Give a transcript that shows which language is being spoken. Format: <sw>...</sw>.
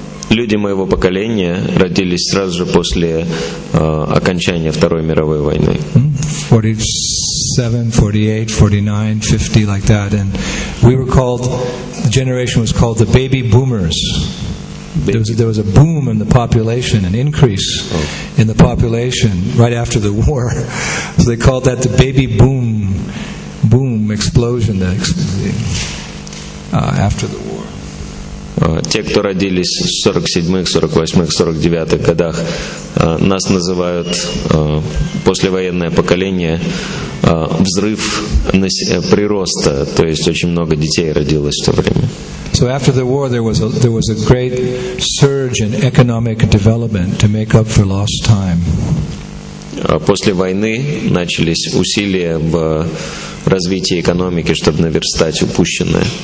<ru>Люди моего поколения родились сразу же после окончания Второй мировой войны.</ru> <en>47, 48, 49, 50, like that. And we were called, the generation was called the baby boomers. There was a boom in the population, an increase in the population right after the war. So they called that the baby boom, explosion after the war.</en> <ru>Те, кто родились в 47-х, 48-х, 49-х годах, нас называют послевоенное поколение взрыв прироста, то есть очень много детей родилось в то время.</ru> <en>So after the war there was a great surge in economic development to make up for lost time.</en> <ru>После войны начались усилия в развитии экономики, чтобы наверстать упущенное.</ru>